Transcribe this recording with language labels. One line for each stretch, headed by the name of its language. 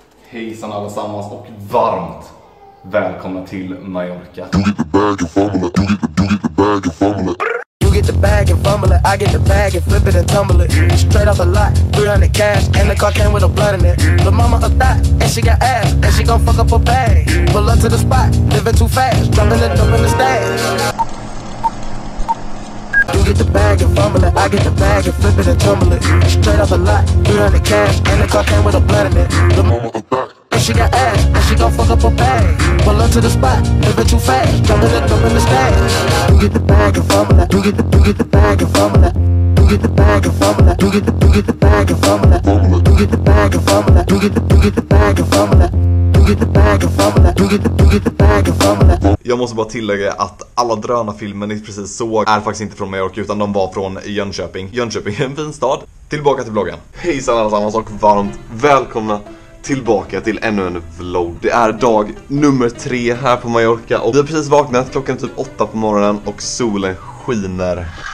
Swedish: kissarna allesammans och varmt välkomna till Mallorca.
English: You get the bag and fumble it, I get the bag and flip it and tumble it. Mm. Straight off the lot, 300 cash, and the car came with a blood in it. Mm. The mama a thot, and she got ass, and she gon' fuck up a bag. Mm. Pull up to the spot, living too fast, dropping it up in the stash. You get the bag and fumble it, I get the bag and flip it and tumble it. Mm. Straight off the lot, 300 cash, and the car came with a blood in it. Mm. The mama a thot, and she got ass, and she gon' fuck up a bag. Mm. Pull up to the spot, living too fast, dropping it up in the stash. Get the bag and fumble it. Do get the bag and fumble it. Do get the bag and fumble it. Do get the bag and fumble it. Fumble it. Do get the bag and fumble it. Do get the bag and fumble it.
Swedish: Jag måste bara tillägga att alla drönarfilmer ni precis såg är faktiskt inte från Mallorca utan de var från Jönköping. Jönköping är en fin stad. Tillbaka till vloggen. Hejsan allesammans och varmt välkomna tillbaka till ännu en vlogg. Det är dag nummer 3 här på Mallorca och vi har precis vaknat, klockan är typ 8 på morgonen och solen skiner.